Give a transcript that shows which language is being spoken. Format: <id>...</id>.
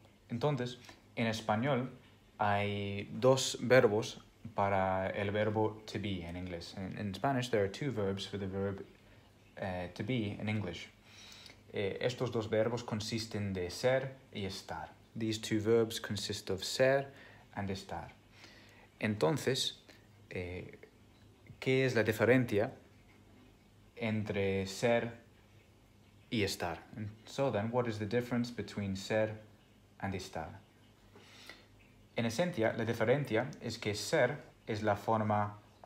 <es>Entonces, en español hay dos verbos para el verbo to be en inglés.</es> <en>In Spanish there are two verbs for the verb to be in English.</en> <es>Estos dos verbos consisten de ser y estar.</es> <en>These two verbs consist of ser and estar.</en> <es>Entonces, ¿qué es la diferencia entre ser y estar?</es> <en>And so then, what is the difference between ser and estar?</en> <es>En esencia, la diferencia es que ser es la forma...</es>